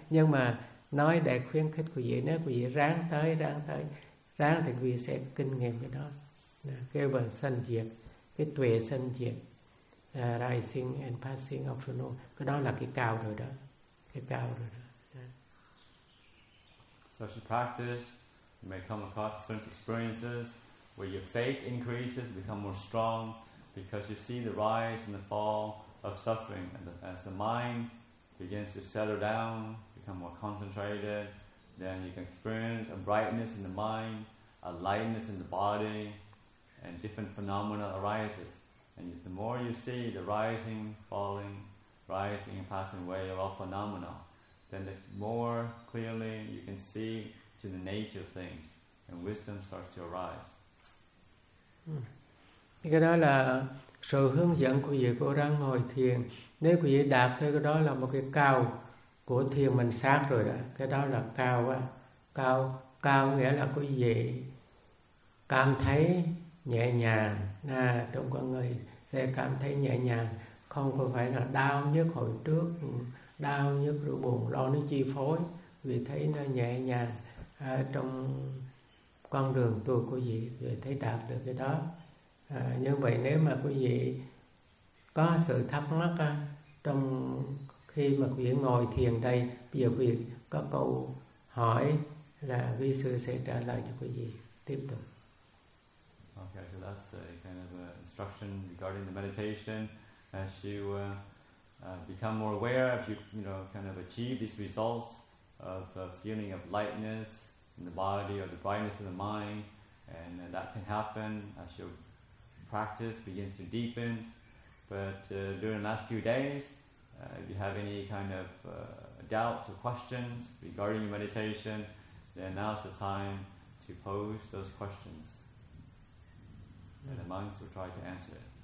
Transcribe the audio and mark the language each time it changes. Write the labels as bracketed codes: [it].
[vi] Nhưng mà nói để khuyến khích quý vị, nếu quý vị ráng tới, ráng tới, ráng thì quý vị sẽ kinh nghiệm cái đó. Cái bằng sanh diệt, cái tuệ sanh diệt, [en] rising and passing of the no, [vi] cái đó là cái cao rồi đó, cái cao rồi đó. [en] So as you practice, you may come across certain experiences where your faith increases, become more strong, because you see the rise and the fall of suffering, and as the mind begins to settle down, become more concentrated, then you can experience a brightness in the mind, a lightness in the body, and different phenomena arises. And the more you see the rising, falling, rising and passing away of all phenomena, then the more clearly you can see to the nature of things, and wisdom starts to arise. [vi] Cái đó là sự hướng dẫn của vị cô đang ngồi thiền. Nếu quý vị đạt tới cái đó là một cái cao của thiền mình sát rồi đó. Cái đó là cao á. Cao, cao nghĩa là quý vị cảm thấy nhẹ nhàng. À, đúng, con người sẽ cảm thấy nhẹ nhàng. Không có phải là đau nhất hồi trước, đau nhất rồi buồn lo nó chi phối. Vì thấy nó nhẹ nhàng à, trong con đường tu của vị, vì thấy đạt được cái đó. À, như vậy nếu mà quý vị có sự thắc mắc á, trong khi mà quý vị ngồi thiền đây, bây giờ quý vị có câu hỏi là vị sư sẽ trả lời cho quý vị tiếp tục. [en] Okay, so that's a kind of a instruction regarding the meditation. As you become more aware, as you, you know, kind of achieve these results of a feeling of lightness in the body or the brightness of the mind, and that can happen as you practice begins to deepen, but during the last few days, if you have any kind of doubts or questions regarding your meditation, then now's the time to pose those questions, and the monks will try to answer it.